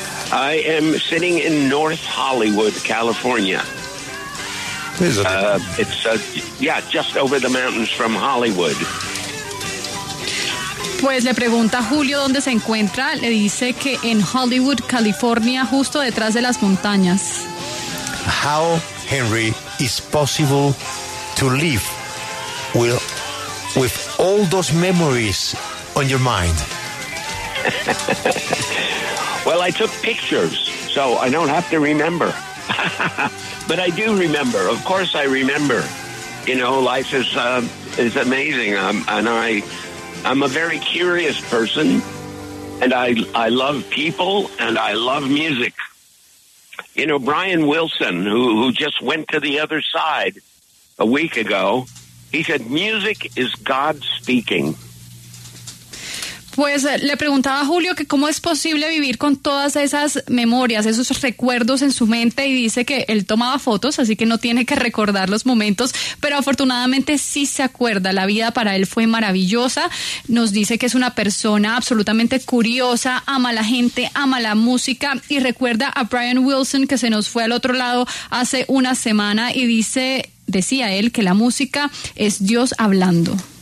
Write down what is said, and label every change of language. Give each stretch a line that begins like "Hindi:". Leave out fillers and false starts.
English: I am sitting in North Hollywood, California. It's just over the mountains from Hollywood.
Spanish: Pues le pregunta a Julio dónde se encuentra, le dice que en Hollywood, California, justo detrás de las montañas.
English: How, Henry, is possible to live with all those memories on your mind? Well, I took pictures, so I don't have to remember. But I do remember. Of course I remember. You know, life is amazing, I'm a very curious person, and I love people, and I love music. You know, Brian Wilson, who just went to the other side a week ago, he said, music is God speaking.
Spanish: Pues le preguntaba a Julio que cómo es posible vivir con todas esas memorias, esos recuerdos en su mente, y dice que él tomaba fotos, así que no tiene que recordar los momentos, pero afortunadamente sí se acuerda. La vida para él fue maravillosa. Nos dice que es una persona absolutamente curiosa, ama la gente, ama la música, y recuerda a Brian Wilson, que se nos fue al otro lado hace una semana, y decía él que la música es Dios hablando.